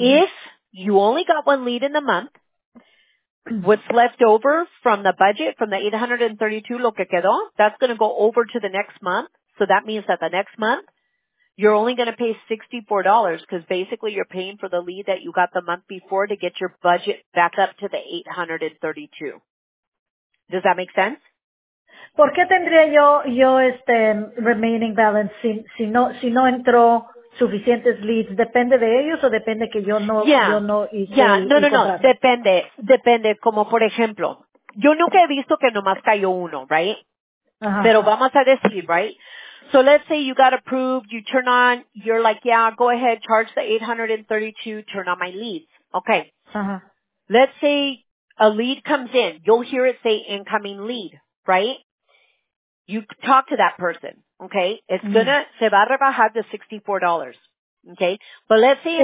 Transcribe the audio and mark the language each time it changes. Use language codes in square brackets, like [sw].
[en] If you only got one lead in the month, what's left over from the budget, from the 832, [es] lo que quedó, [en] that's going to go over to the next month. So that means that the next month, you're only going to pay $64 because basically you're paying for the lead that you got the month before to get your budget back up to the 832. Does that make sense? [es] ¿Por qué tendría yo este [en] remaining balance [es] si no entró suficientes leads? ¿Depende de ellos o depende que yo no, yeah, yo no hice? Yeah, no. Depende. Como por ejemplo, yo nunca he visto que nomás cayó uno, right? Uh-huh. Pero vamos a decir, right? [en] So let's say you got approved, you turn on, you're like, yeah, go ahead, charge the 832, turn on my leads. Okay. Uh-huh. Let's say a lead comes in. You'll hear it say incoming lead, right? You talk to that person, okay? It's gonna, [es] se va a rebajar [en] to $64, okay? But let's say in